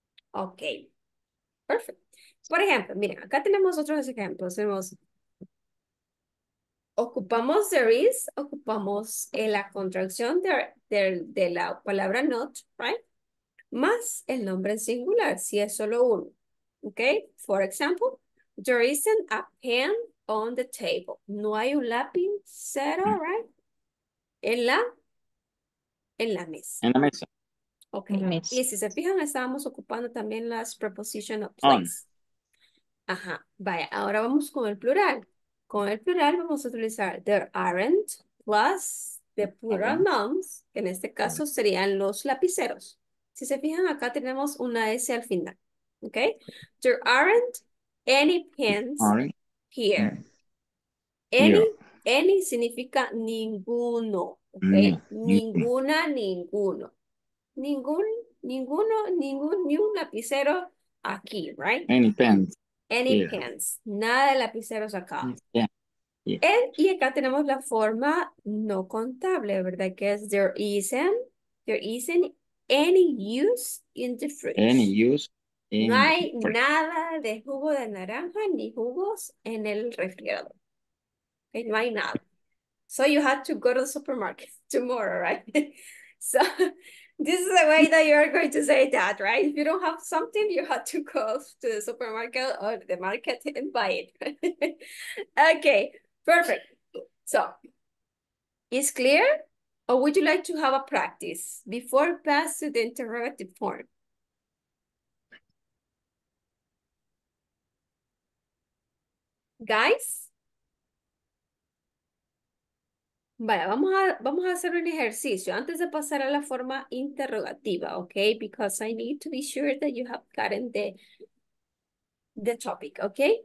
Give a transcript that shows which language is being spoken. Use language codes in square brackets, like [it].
[es] Okay. Perfecto. Por ejemplo, miren, acá tenemos otros ejemplos. Tenemos, ocupamos there is, ocupamos la contracción de la palabra not, right? Más el nombre en singular, si es solo uno. Okay? [en] For example, there isn't a pen on the table. [es] No hay un lápiz cero, right? En la mesa. En la mesa. Okay. Y si se fijan, estábamos ocupando también las preposition of place. Ajá. Vaya, ahora vamos con el plural. Con el plural vamos a utilizar [en] there aren't plus the plural nouns, [es] que en este caso serían los lapiceros. Si se fijan, acá tenemos una S al final. Ok. [en] There aren't any pens here. [es] Any significa ninguno. Ok. Ninguno. Ni un lapicero aquí, right? [en] Any pens. [es] Nada de lapiceros acá. Y acá tenemos la forma no contable, ¿verdad? Que es [en] there isn't any use in the fridge. Any use in no hay fridge. [es] Nada de jugo de naranja ni jugos en el refrigerador. Okay, no hay nada. [en] So you have to go to the supermarket tomorrow, right? So this is the way that you're going to say that, right? If you don't have something, you have to go to the supermarket or the market and buy it. Okay, perfect. So, is clear? Or would you like to have a practice before pass to the interrogative form? Guys? [es] Vaya, vamos a hacer un ejercicio antes de pasar a la forma interrogativa, ¿ok? [en] Because I need to be sure that you have gotten the topic, ¿ok?